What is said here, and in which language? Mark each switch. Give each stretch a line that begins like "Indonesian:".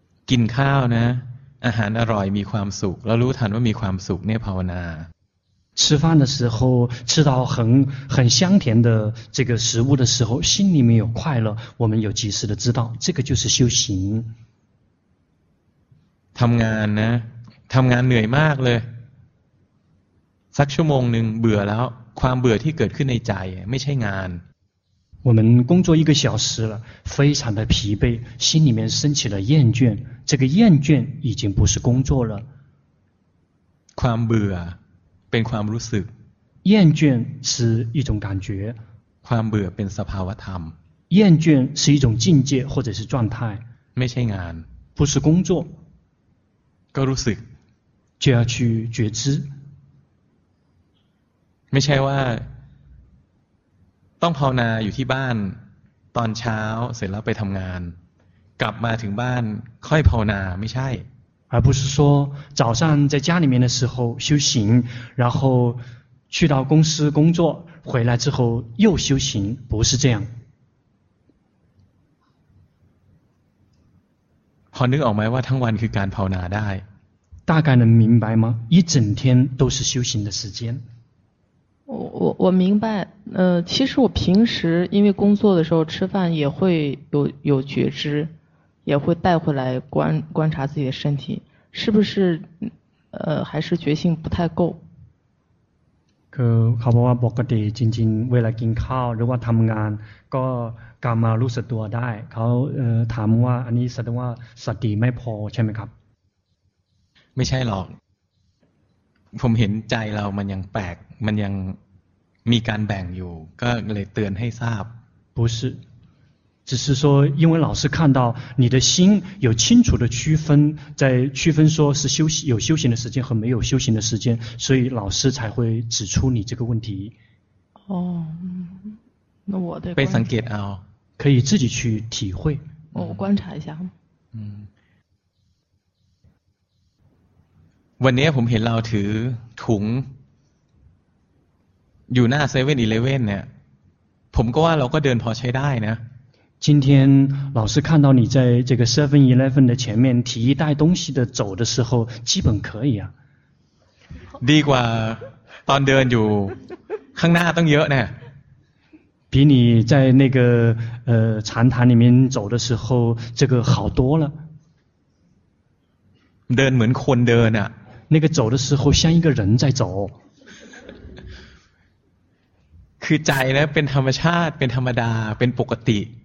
Thai: กินข้าวนะอาหารอร่อยมีความสุขแล้วรู้ทันว่ามีความสุขเนี่ยภาวนา
Chinese: 吃饭的时候吃到很香甜的这个食物的时候心里面有快乐，我们有及时的知道，这个就是修行。
Thai: ทำงานนะทำงานเหนื่อยมากเลยสักชั่วโมงหนึ่งเบื่อแล้วความเบื่อที่เกิดขึ้นในใจไม่ใช่งาน
Chinese: 我们工作一个小时了非常的疲惫心里面升起了厌倦，这个厌倦已经不是工作了。
Thai: ความเบื่อเป็นความรู้สึก
Chinese: 厌倦是一种感觉，
Thai: ความเบื่อเป็นสภาวะธรรม
Chinese: 厌倦是一种境界或者是状态，
Thai: ไม่ใช่งาน
Chinese: 不是工作，
Thai: ก็รู้สึก
Chinese: 就要去觉知。
Thai: ไม่ใช่ว่าต้องภาวนาอยู่ที่บ้านตอนเช้าเสร็จแล้วไปทำงานกลับมาถึงบ้านค่อยภาวนาไม่ใช่
Chinese: 而不是说早上在家里面的时候修行然后去到公司工作回来之后又修行不是这样
Thai: พอนึกออกไหมว่าทั้งวันคือการภาวนาได้
Chinese: 大概能明白吗一整天都是修行的时间我明白，其实我平时因为工作的时候吃饭也会有觉知，也会带回来观察自己的身体，是不是？还是觉性不太够。
Thai: คือเขาบอกว่าปกติจริงๆเวลากินข้าวหรือว่าทำงานก็กลับมารู้สึกตัวได้เขาถามว่าอันนี้แสดงว่าสติไม่พอใช่ไหมครับ ไม่ใช่หรอกผมเห็นใจเรามันยังแปลกมันยังมีการแบ่งอยู่ก็เลยเตือนให้ทราบ
Chinese: 不是只是说因为老师看到你的心有清楚的区分在区分说是修行有修行的时间和没有修行的时间所以老师才会指出你这个问题哦那我得被上 get out 可以自己去体会我观察一下
Thai: 嗯วันนี้ผมเห็นเราถือถุงอยู่หน้าเซเว่นอีเลเว่นเนี่ยผมก็ว่าเราก็เดินพอใช้ได้นะ
Chinese: 今天老师看到你在这个7 Eleven 的前面提一袋东西的走的时候基本可以啊
Thai: ดีกว่าตอนเดินอยู่ข้างหน้าต้องเยอะเนี่ย
Chinese: 比你在那个禅堂里面走的时候这个好多了
Thai: เดินเหมือนคนเดินอ่ะ
Chinese: 那个走的时候像一个人在走
Thai: คือใจนะเป็นธรรมชาติเป็นธรรมดาเป็นปกติ